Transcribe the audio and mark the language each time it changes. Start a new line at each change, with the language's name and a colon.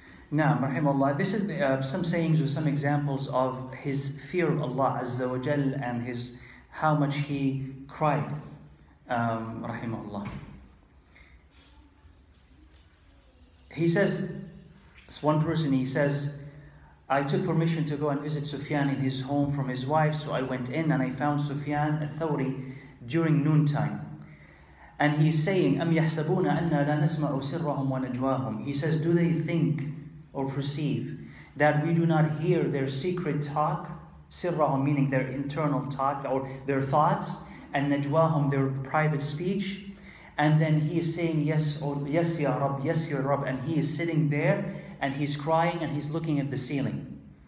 English: Now, rahimahullah, this is some sayings or some examples of his fear of Allah Azza wa Jal and his how much he cried, rahimahullah. He says, this one person, he says, I took permission to go and visit Sufyan in his home from his wife, so I went in and I found Sufyan al-Thawri during noontime. And he's saying,
Arabic: أَمْ يَحْسَبُونَ أَنَّا لَا نَسْمَعُ سِرَّهُمْ وَنَجْوَاهُمْ.
English: He says, do they think or perceive that we do not hear their secret talk, سِرَّهُمْ meaning their internal talk or their thoughts, and نَجْوَاهُمْ their private speech. And then he is saying, yes, or yes, Ya Rab, yes, Ya Rab. And he is sitting there and he's crying and he's looking at the ceiling.